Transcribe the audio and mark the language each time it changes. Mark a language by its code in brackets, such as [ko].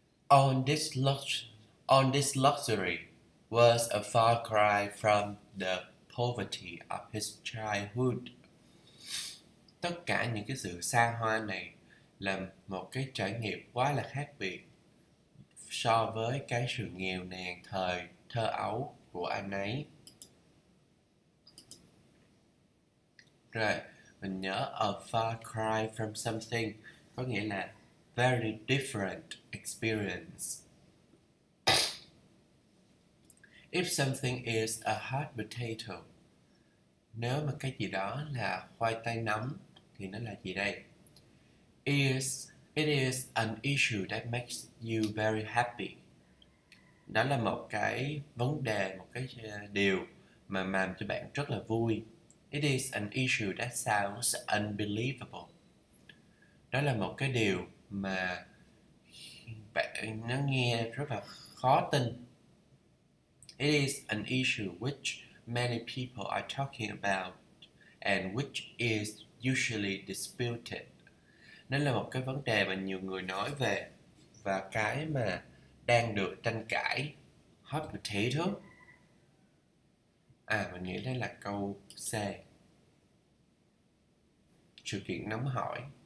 [en] On this luxury was a far cry from the poverty of his childhood. [vi] Tất cả những cái sự xa hoa này là một cái trải nghiệm quá là khác biệt so với cái sự nghèo nàn thời thơ ấu của anh ấy. Rồi, mình nhớ [en] a far cry from something [vi] có nghĩa là [en] very different experience. Something is a hot potato, [vi] nếu mà cái gì đó là khoai tây nấm thì nó là gì đây? [en] It is an issue that makes you very happy. [vi] Đó là một cái vấn đề, một cái điều mà làm cho bạn rất là vui. [en] It is an issue that sounds unbelievable. [vi] Đó là một cái điều mà bạn nó nghe rất là khó tin. [en] It is an issue which many people are talking about and which is usually disputed. [vi] Nó là một cái vấn đề mà nhiều người nói về và cái mà đang được tranh cãi. Hot potato. À, mình nghĩ đây là câu C. Sự kiện nóng hỏi.